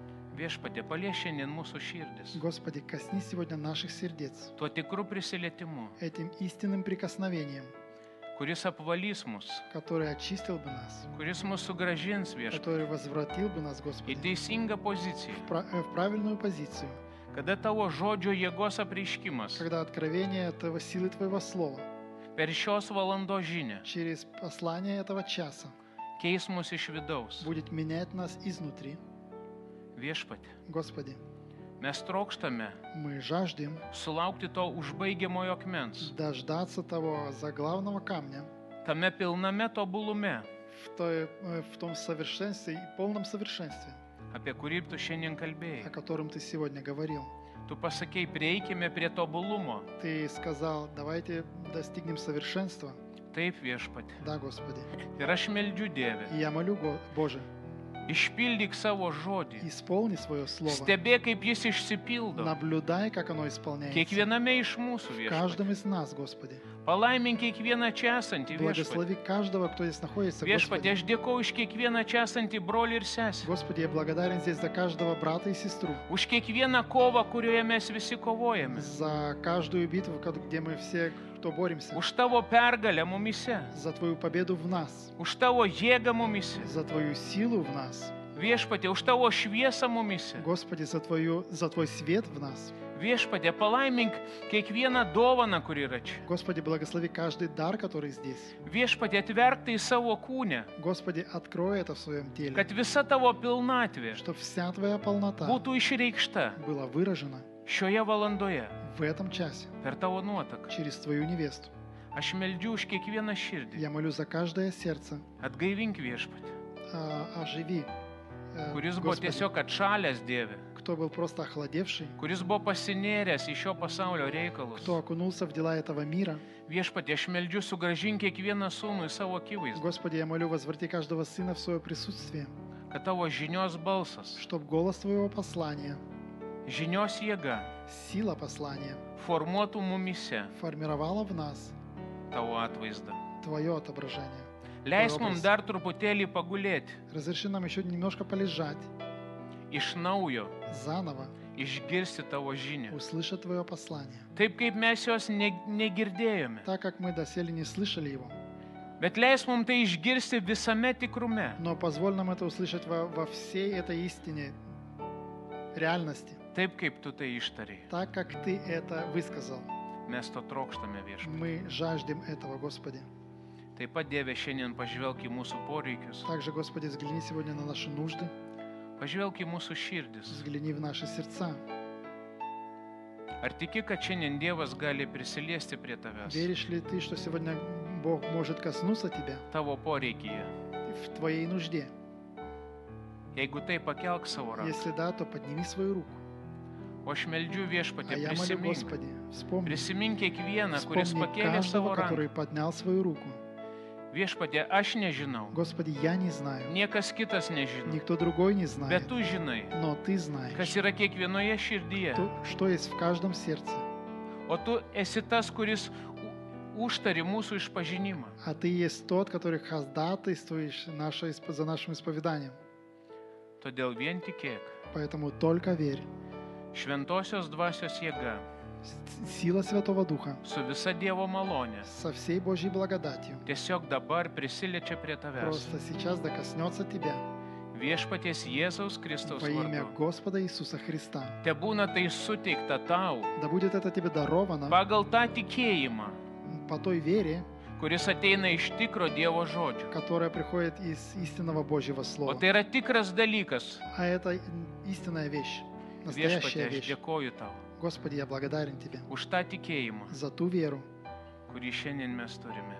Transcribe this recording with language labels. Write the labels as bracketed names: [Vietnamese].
[Lithuanian] Viešpatie, paliesk šiandien mūsų širdis. [Russian] Господи, коснись сегодня наших сердец. [Lithuanian] Tuo tikru prisilietimu. [Russian] Этим истинным прикосновением. [Lithuanian] Kuris apvalys mus. [Russian] Который очистил бы нас. [Lithuanian] Kuris mus sugrąžins, Viešpatie. [Russian] Который возвратил бы нас, Господи. [Lithuanian] И teisingą poziciją. [Russian] В правильную позицию. [Lithuanian] Kada tavo žodžio jėgos apreiškimas. [Russian] Когда откровение этого силы твоего слова. [Lithuanian] Per šios valandos žinią. [Russian] Через послание этого часа. [Lithuanian] Keis mus iš vidaus. [Russian] Будет менять нас изнутри. [Lithuanian] Viešpatie, [Russian] Господи, [Lithuanian] mes trokštame sulaukti to užbaigiamojo akmens, [Russian] dождаться того заглавного камня, [Lithuanian] tame pilname tobulume, [Russian] в том совершенстве и полном совершенстве, [Lithuanian] apie kurį tu šiandien kalbėjai, [Russian] о котором ты сегодня говорил. [Lithuanian] Tu pasakei, prieikime prie tobulumo. [Russian] Ты сказал, давайте достигнем совершенства. [Lithuanian] Taip, Viešpatie. [Russian] Да, Господи. [Lithuanian] Ir aš meldžiu, Dieve. [Russian] Я молю, Боже. [Lithuanian] Išpildyk savo žodį. [Russian] Исполни своё слово. [Lithuanian] Stebėk, kaip jis išsipildo. [Russian] Наблюдай, как оно исполняется. [Lithuanian] Kiekviename iš mūsų, Viešpatie. [Russian] Каждом из нас, Господи. [Lithuanian] Palaimink kiekvieną čia esantį, Viešpatie. [Russian] Благослови каждого, кто здесь находится, Господи. [Lithuanian] Viešpatie, aš dėkoju už kiekvieną čia esantį brolį ir sesę. [Russian] Господи, я благодарен здесь за каждого брата и сестру. [Lithuanian] Už kiekvieną kovą, kurioje mes visi kovojame. [Russian] За каждую битву, где мы все боремся. [Lithuanian] Už tavo pergalę mumise. [Russian] За твою победу в нас. [Lithuanian] Už tavo jėgą mumise. [Russian] За твою силу в нас. [Lithuanian] Viešpatie, už tavo šviesą mumise. [Russian] Господи, за твой свет в нас. [Lithuanian] Viešpatie, palaimink kiekvieną dovaną, kuri yra čia. [Russian] Господи, благослови каждый дар, который здесь. [Lithuanian] Viešpatie, atverk tai savo kūne. [Russian] Господи, открой это в своём теле. [Lithuanian] Kad visa tavo pilnatvė, [Russian] чтоб вся твоя полнота, [Lithuanian] būtų išreikšta. [Russian] Была выражена. [Lithuanian] Šioje valandoje. [Russian] В этом часе. [Lithuanian] Per tavo nuotaką. [Russian] Через твою невесту. [Lithuanian] Aš meldžiu už kiekvieną širdį. [Russian] Я молю за каждое сердце. [Lithuanian] Atgaivink, Viešpatie. [Russian] Оживи. [Lithuanian] Kuris buvo tiesiog atšalęs, Dieve. [Russian] Кто был просто охладевший. [Lithuanian] Kuris buvo pasinėręs į šio pasaulio reikalus. [Russian] Кто окунулся в дела этого мира. [Lithuanian] Viešpatie, aš meldžiu, sugrąžink kiekvieną sūnų į savo akivaizdą. [Russian] Господи, я молю, возврати каждого сына в своё присутствие. [Lithuanian] Kad tavo žinios balsas. [Russian] Чтоб голос твоего послания. [Lithuanian] Žinios jėga. [Russian] Сила послания. [Lithuanian] Формуотų мумисе. [Russian] Формировала в нас. [Lithuanian] Tavo atvaizdą. [Russian] Твоё отображение. [Lithuanian] Leis mum dar truputėlį pagulėti. [Russian] Разреши нам ещё немножко полежать. [Lithuanian] Iš naujo. [Russian] Заново. [Lithuanian] Išgirsti tavo žinią. [Russian] Услышать твоё послание. [Lithuanian] Taip kaip mes jos negirdėjome. [Russian] Так как мы доселе не слышали его. [Lithuanian] Bet leis mum tai išgirsti visame tikrume. [Russian] Но позволь нам это услышать во всей этой истине. Реальности. [Lithuanian] Taip, kaip tu tai ištarei. [Russian] Так, как ты это высказал. [Lithuanian] Mes to trokštame, Viešpatie. [Russian] Мы жаждем этого, Господи. [Lithuanian] Taip pat, Dieve, šiandien pažvelk į mūsų poreikius. [Russian] Также, Господи, взгляни сегодня на наши нужды. [Lithuanian] Пожвелк į mūsų širdis. [Russian] Взгляни в наши сердца. [Lithuanian] Ar tiki, kad šiandien Dievas gali prisiliesti prie tavęs? [Russian] Веришь ли ты, что сегодня Бог может коснуться тебя? [Lithuanian] Tavo poreikyje. [Russian] В твоей нужде. [Lithuanian] Jeigu tai, pakelk savo ranką. [Russian] Если да, то подними свою руку. [Lithuanian] O aš meldžiu, Viešpatie, prisimink. [Russian] Господи, вспомни. [Lithuanian] Prisimink kiekvieną, kuris pakėlė savo ranką. [Russian] Который поднял свою руку. [Lithuanian] Viešpatie, aš nežinau. [Russian] Господи, я не знаю. [Lithuanian] Niekas kitas nežino. [Russian] Никто другой не знает. [Lithuanian] Bet tu žinai. [Russian] Но ты знаешь. [Lithuanian] Kas yra kiekvienoje širdyje. [Russian] Что есть в каждом сердце. [Lithuanian] O tu esi tas, kuris užtari mūsų išpažinimą. [Russian] А ты есть тот, который ходатайствуешь за нашим исповеданием. [Lithuanian] Todėl vien tikėk. [Russian] Поэтому только верь. [Lithuanian] Šventosios dvasios jėga. [Russian] Сила Святого Духа. [Lithuanian] Su visa Dievo malone. [Russian] Со всей Божьей благодатью. [Lithuanian] Tiesiog dabar prisiliečia prie tavęs. [Russian] Просто сейчас докоснется тебя. [Lithuanian] Viešpaties Jėzaus Kristaus [Russian] vardu. Во имя Господа Иисуса Христа. [Lithuanian] Tebūna tai suteikta tau. [Russian] Да будет это тебе даровано. [Lithuanian] Pagal tą tikėjimą. [Russian] По той вере. [Lithuanian] Kuris ateina iš tikro Dievo žodžio. [Russian] Которая приходит из истинного Божьего слова. [Lithuanian] O tai yra tikras dalykas. [Russian] А это истинная вещь. Настоящая вещь. [Lithuanian] Viešpatie, dėkoju tau. [Russian] Господи, я благодарен тебе. [Lithuanian] Už tą tikėjimą. [Russian] За ту веру. [Lithuanian] Kurį šiandien mes turime.